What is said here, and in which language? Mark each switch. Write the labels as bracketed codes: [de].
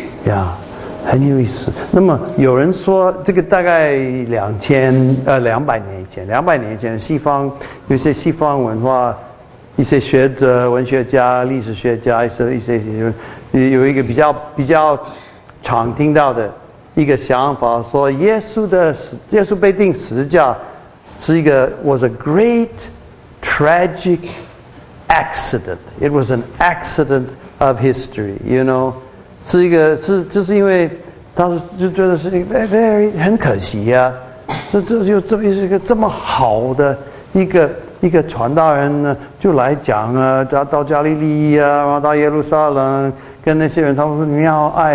[zh] 呀、yeah, ，很有意思。那么有人说，这个大概两百年以前，西方有些西方文化，一些学者、文学家、历史学家，有一个比较常听到的一个想法，说耶稣被钉十字架是一个 [en] was a great tragic accident. It was an accident of history. You know. [zh] 是一个是，就是因为他就觉得是一个 [en] very [zh] 很可惜呀、啊，这么一个这么好的一个传道人呢，就来讲啊，到加利利啊，然后到耶路撒冷，跟那些人，他们说你要